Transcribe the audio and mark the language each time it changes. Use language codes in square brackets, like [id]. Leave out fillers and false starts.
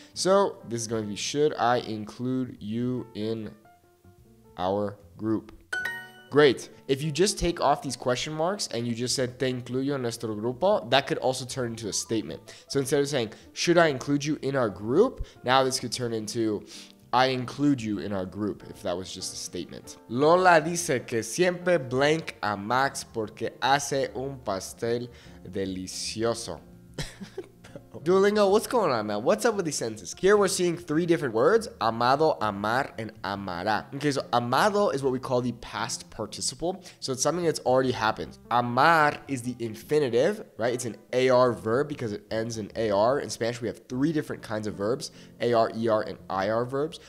[en] So this is going to be, should I include you in our group? Great. If you just take off these question marks and you just said te incluyo en nuestro grupo, that could also turn into a statement. So instead of saying, should I include you in our group? Now this could turn into, I include you in our group, if that was just a statement. [es] Lola dice que siempre blank a Max porque hace un pastel delicioso. [en] Duolingo, what's going on, man? What's up with these sentences? Here we're seeing three different words, amado, amar, and amará. Okay, so amado is what we call the past participle. So it's something that's already happened. Amar is the infinitive, right? It's an AR verb because it ends in AR. In Spanish, we have three different kinds of verbs, AR, ER, and IR verbs.